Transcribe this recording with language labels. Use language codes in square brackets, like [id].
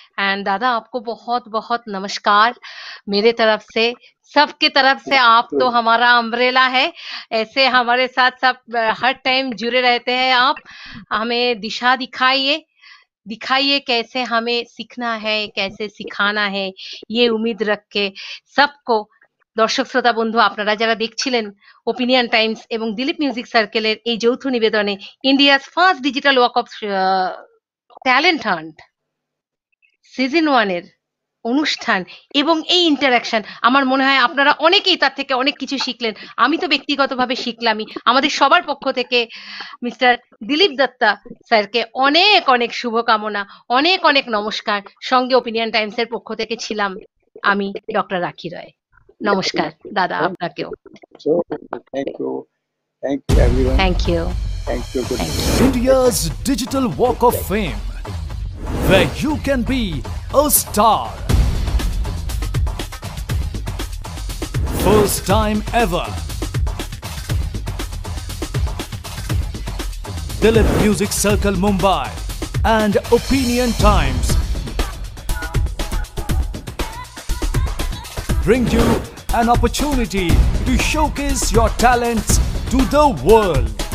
[hi] And दादा आपको बहुत बहुत नमस्कार मेरे तरफ से, सबके तरफ से। आप तो हमारा अम्ब्रेला है, ऐसे हमारे साथ सब हर टाइम जुड़े रहते हैं। आप हमें दिशा दिखाइए, दिखाइए कैसे हमें सीखना है, कैसे सिखाना है, ये उम्मीद रख के सबको। [bn] দর্শক শ্রোতা বন্ধু, আপনারা যারা দেখছিলেন ওপিনিয়ন টাইমস এবং দিলীপ মিউজিক সার্কেলের এই যৌথ নিবেদনে India's first digital walk of talent hunt season ওয়ানের অনুষ্ঠান এবং এই ইন্টারাকশন, আমার মনে হয় আপনারা অনেকেই তার থেকে অনেক কিছু শিখলেন। আমি তো ব্যক্তিগতভাবে শিখলামই। আমাদের সবার পক্ষ থেকে মিস্টার দিলীপ দত্তা স্যারকে অনেক অনেক শুভকামনা, অনেক অনেক নমস্কার। সঙ্গে ওপিনিয়ন টাইমস এর পক্ষ থেকে ছিলাম আমি ডক্টর রাখি রায়। নমস্কার দাদা, আপনাকেও thank you, thank you, thank you. [en] India's digital walk of fame, where you can be a star. First time ever. Dilip Music Circle Mumbai and Opinion Times bring you an opportunity to showcase your talents to the world.